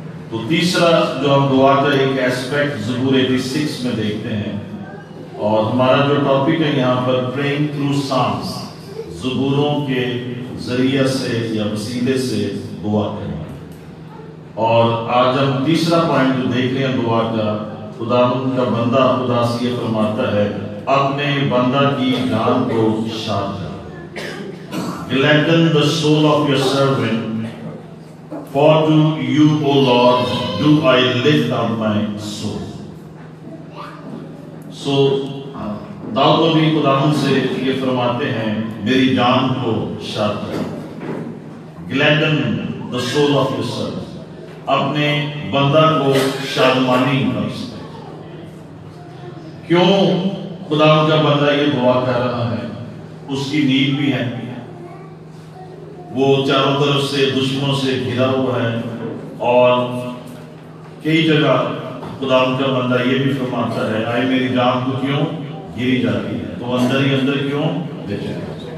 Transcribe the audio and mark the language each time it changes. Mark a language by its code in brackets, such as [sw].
[hi] तो तीसरा जो हम दुआ का एक एस्पेक्ट जबूर 86 में देखते हैं और हमारा जो टॉपिक है यहाँ पर प्रेइंग थ्रू सांग्स, जबूरों के जरिया से या वसीले से दुआ करें। और आज हम तीसरा पॉइंट जो देख रहे हैं दुआ का, खुदावंद का बंदा खुदा से फरमाता है अपने बंदा की जान को शाद कर। [en] Gladden the soul of your servant, for to you, O Lord, do I lift up my soul. [hi] So, Dawood भी खुदावंद से ये फरमाते हैं मेरी जान को शाद कर। [en] Gladden the soul of your servant, [hi] अपने बंदा को शादमानी कर। क्यों खुदावंद का बंदा ये दुआ कर रहा है? उसकी नींद भी है, वो चारों तरफ से दुश्मनों से घिरा हुआ है और कई जगह खुदावंद का बंदा ये भी फरमाता है आए मेरी जान को क्यों घिरी जाती है, तो अंदर ही अंदर क्यों बेचैन।